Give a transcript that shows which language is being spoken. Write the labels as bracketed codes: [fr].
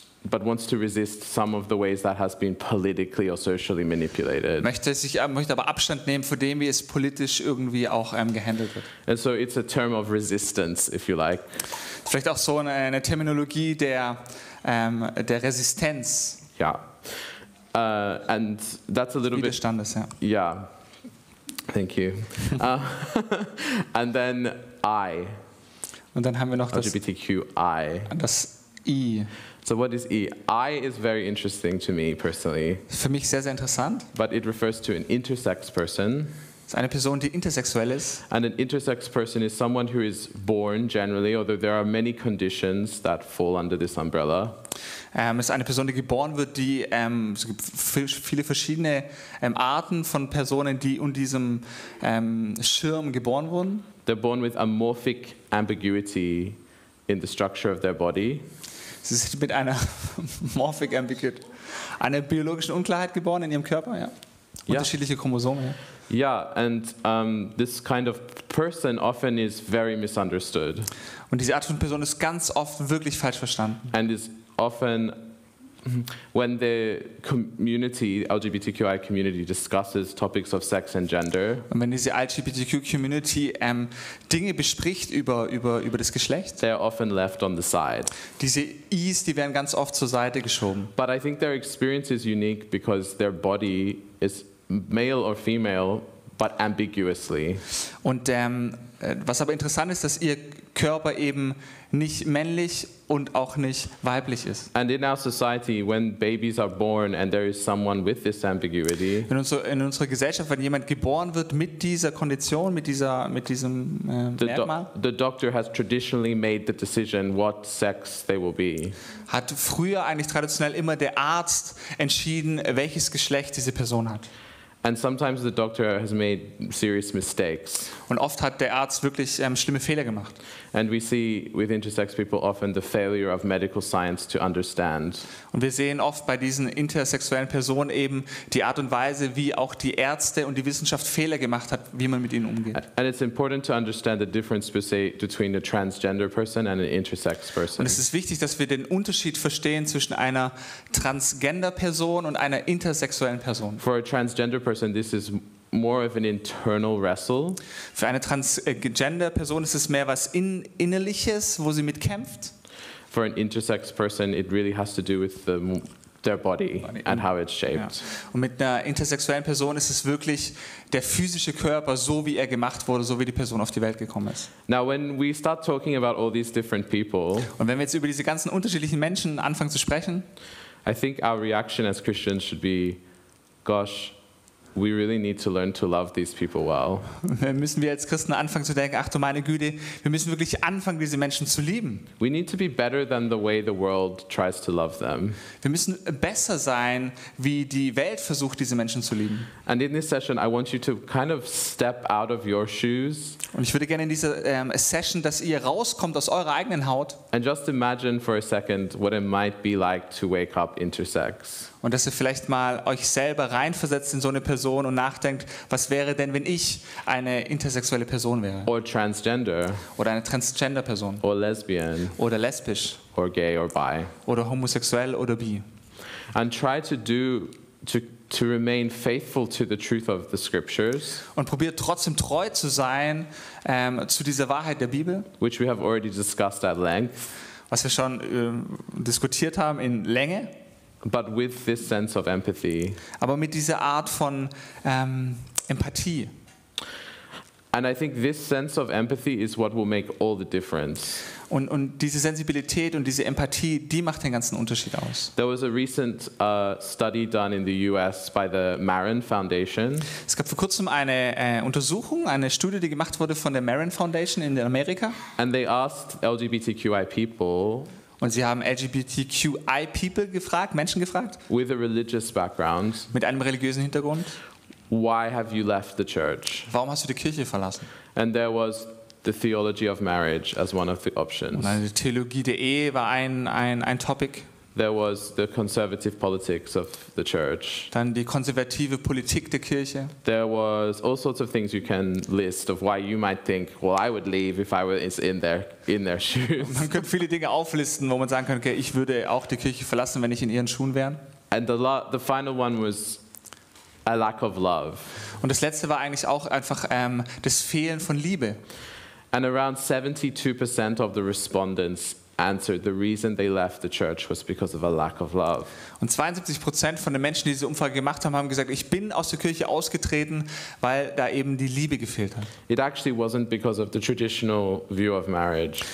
[en] But wants to resist some of the ways that has been politically or socially manipulated. [de] Möchte aber Abstand nehmen von dem, wie es politisch irgendwie auch gehandelt wird. [en] And so it's a term of resistance, if you like. [de] Vielleicht auch so eine Terminologie der Resistenz. [en] Ja. And that's a little bit. Yeah, thank you. and then I. [de] Und dann haben wir noch LGBTQI. Das I. [en] So what is E? I is very interesting to me personally. [de] Für mich sehr, sehr interessant. [en] But it refers to an intersex person. [de] Ist eine Person, die intersexuell ist. [en] And an intersex person is someone who is born generally, although there are many conditions that fall under this umbrella. [de] Ist eine Person, die geboren wird, die es gibt viele verschiedene Arten von Personen, die unter diesem Schirm geboren wurden. [en] They're born with amorphic ambiguity in the structure of their body. [de] Sie sind mit einer [en] morphic ambiguity, [de] einer biologischen Unklarheit geboren in ihrem Körper, ja. Unterschiedliche Chromosomen. [en] Yeah, and this kind of person often is very misunderstood. [de] Und diese Art von Person ist ganz oft wirklich falsch verstanden. [en] And is often When the community, LGBTQI community, discusses topics of sex and gender, [de] und wenn diese LGBTQ Community Dinge bespricht über das Geschlecht, [en] they are often left on the side. [de] Diese E's, die werden ganz oft zur Seite geschoben. [en] But I think their experience is unique because their body is male or female, but ambiguously. [de] Und was aber interessant ist, dass ihr Körper eben nicht männlich und auch nicht weiblich ist. [en] And in our society, when babies are born and there is someone with this ambiguity, [de] in unserer Gesellschaft, wenn jemand geboren wird mit dieser Kondition, mit diesem Merkmal, [en] the doctor has traditionally made the decision what sex they will be. [de] Hat früher eigentlich traditionell immer der Arzt entschieden, welches Geschlecht diese Person hat. [en] And sometimes the doctor has made serious mistakes. [de] Und oft hat der Arzt wirklich schlimme Fehler gemacht. [en] And we see with intersex people often the failure of medical science to understand. [de] Und wir sehen oft bei diesen intersexuellen Personen eben die Art und Weise, wie auch die Ärzte und die Wissenschaft Fehler gemacht hat, wie man mit ihnen umgeht. [en] And it's important to understand the difference between a transgender person and an intersex person. [de] Und es ist wichtig, dass wir den Unterschied verstehen zwischen einer transgender Person und einer intersexuellen Person. [en] For a transgender person, this is more of an internal wrestle. [de] Für eine transgender Person ist es mehr was innerliches, wo sie mit kämpft. [en] For an intersex person, it really has to do with their body and how it's shaped. [de] Ja. Und mit einer intersexuellen Person ist es wirklich der physische Körper, so wie er gemacht wurde, so wie die Person auf die Welt gekommen ist. [en] Now when we start talking about all these different people, [de] und wenn wir jetzt über diese ganzen unterschiedlichen Menschen anfangen zu sprechen, [en] I think our reaction as Christians should be, gosh, we really need to learn to love these people well. [de] Müssen wir als Christen anfangen zu denken, ach du meine Güte, wir müssen wirklich anfangen, diese Menschen zu lieben. [en] We need to be better than the way the world tries to love them. [de] Wir müssen besser sein, wie die Welt versucht, diese Menschen zu lieben. [en] And in this session, I want you to kind of step out of your shoes. [de] Und ich würde gerne in dieser Session, dass ihr rauskommt aus eurer eigenen Haut. [en] And just imagine for a second what it might be like to wake up intersex. [de] Und dass ihr vielleicht mal euch selber reinversetzt in so eine Person und nachdenkt, was wäre denn, wenn ich eine intersexuelle Person wäre? [en] Or transgender. [de] Oder eine Transgender-Person. [en] Or lesbian. [de] Oder lesbisch. [en] Or gay or bi. [de] Oder homosexuell oder bi. [en] And try to remain faithful to the truth of the scriptures. [de] Und probiert trotzdem treu zu sein zu dieser Wahrheit der Bibel. [en] Which we have already discussed at length. [de] Was wir schon diskutiert haben in Länge. [en] But with this sense of empathy. [de] Aber mit dieser Art von Empathie. [en] And I think this sense of empathy is what will make all the difference. [de] Und diese Sensibilität und diese Empathie, die macht den ganzen Unterschied aus. [en] There was a recent study done in the US by the Marin Foundation. [de] Es gab vor kurzem eine Untersuchung, eine Studie, die gemacht wurde von der Marin Foundation in Amerika. [en] And they asked LGBTQI people. [de] Und sie haben LGBTQI people gefragt, Menschen gefragt, with a religious background, mit einem religiösen Hintergrund, [en] why have you left the church? [de] Warum hast du die Kirche verlassen? [en] And there was the theology of marriage as one of the options. [de] Und die Theologie der Ehe war ein Topic. [en] There was the conservative politics of the church. [de] Dann die konservative Politik der Kirche. [en] There was all sorts of things you can list of why you might think, well, I would leave if I was in their shoes. [de] Man könnte viele Dinge auflisten, wo man sagen könnte, okay, ich würde auch die Kirche verlassen, wenn ich in ihren Schuhen wäre. [en] And the final one was a lack of love. [de] Und das letzte war eigentlich auch einfach das Fehlen von Liebe. [en] And around 72% of the respondents answered the reason they left the church was because of a lack of love. [de] Und 72% von den Menschen, die diese Umfrage gemacht haben, haben gesagt, ich bin aus der Kirche ausgetreten, weil da eben die Liebe gefehlt hat. [en] It actually wasn't because of the traditional view of marriage.